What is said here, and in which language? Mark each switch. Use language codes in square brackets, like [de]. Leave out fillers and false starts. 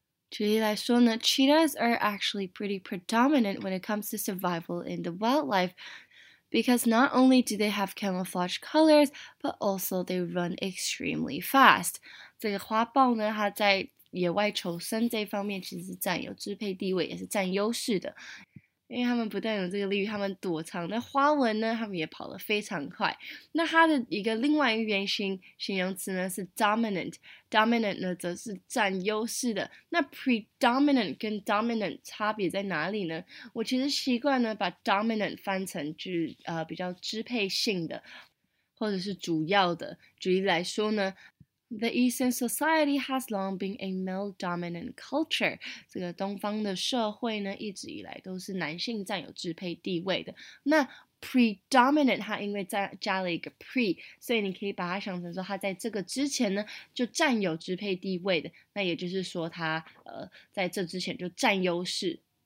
[zh] 举例来说呢 [en] ，cheetahs are actually pretty predominant when it comes to survival in the wildlife. Because not only do they have camouflage colors, but also they run extremely fast. [zh] 这个花豹呢，它在野外求生这方面其实是占有支配地位，也是占优势的。因为他们不但有这个利于他们躲藏的花纹呢，他们也跑得非常快。那它的一个另外一个原型形容词呢是 dominant 呢则是占优势的。那 predominant 跟 dominant 差别在哪里呢？我其实习惯呢把 dominant 翻成就是比较支配性的，或者是主要的。举例来说呢。 [en] The Eastern society has long been a male-dominant culture. [zh] 这个东方的社会呢，一直以来都是男性占有支配地位的。那 predominant 它因为加了一个 pre， 所以你可以把它想成说它在这个之前呢就占有支配地位的。那也就是说它在这之前就占优势。